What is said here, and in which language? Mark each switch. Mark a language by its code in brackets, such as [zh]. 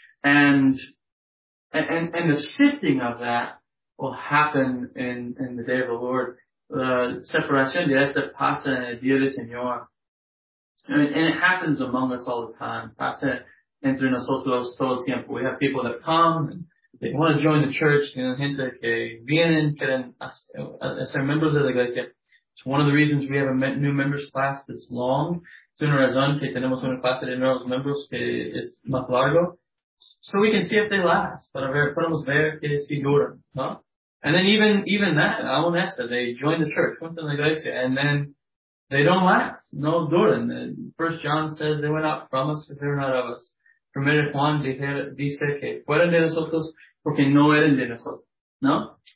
[en] And the sifting of that will happen in the day of the Lord. [es] La separación de esta pasa en el día del Señor. [en] And it happens among us all the time. [es] Pasa entre nosotros todo el tiempo. [en] We have people that come and they want to join the church, you know, [es] gente que vienen, quieren ser miembros de la iglesia. [en] It's one of the reasons we have a new members class that's long. [es] Es una razón que tenemos una clase de nuevos miembros que es más largo. [en] So we can see if they last. [es] Para ver, podemos ver que si duran, ¿no? [en] And then even that, [es] aún esta, [en] they join the church, went to [es] la iglesia, [en] and then they don't last. [es] No duran. [en] First John says they went out from us because they're not of us. [es] Primero Juan dice que fueron de nosotros porque no eran de nosotros, ¿no?